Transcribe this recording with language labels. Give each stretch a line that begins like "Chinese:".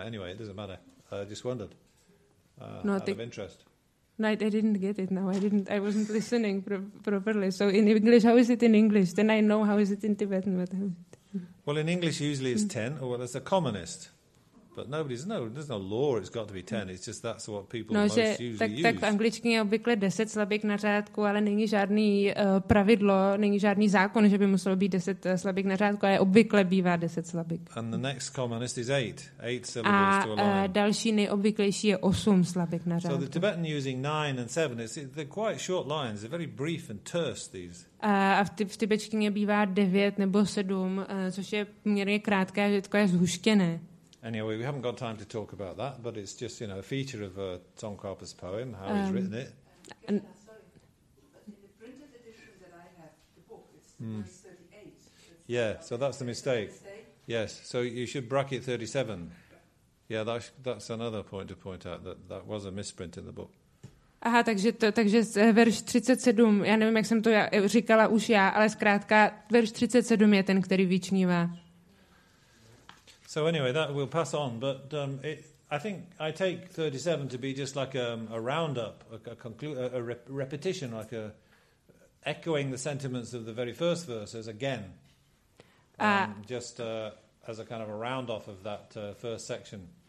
English: Anyway, it doesn't matter. I just wondered out of interest. No, I didn't get it now. I wasn't listening properly. So in English, how is it in English? Then I know how is it in Tibetan. Well, in English, usually it's 10, or well, it's the commonest. But nobody's no, there's no law. It's got to be 10. It's just that's what people no, most
Czech: že,
English: usually
Czech: tak,
English: use.
Czech: Tak v angličtině je obvykle 10 slabik na řádku, ale není žádný pravidlo, není žádný zákon, že by muselo být 10 slabik na řádku, ale obvykle bývá 10 slabik.
English: And the next commonest is 8. 8 syllables
Czech: a,
English: to a line.
Czech: A další nejobvyklejší je 8 slabik na řádku.
English: So the Tibetan using 9 and 7, they're quite short lines. They're very brief and terse, these.
Czech: A v tibetštině bývá 9 nebo 7, což je poměrně krátké, že to je zhuštěné.
English: Anyway, we haven't got time to talk about that, but it's just, you know, a feature of Tsongkhapa's poem, how he's written it. Sorry, but in the printed edition that I have, the book, it's 38. Yeah, so that's the mistake. Yes, so you should bracket 37. Yeah, that's another point to point out, that was a misprint in the book.
Czech: Aha, takže verš 37, já nevím, jak jsem to říkala už já, ale zkrátka verš 37 je ten, který vyčnívá.
English: So anyway, that we'll pass on, but I think I take 37 to be just like a roundup, a repetition, like a echoing the sentiments of the very first verses again, as a kind of a round off of that first section.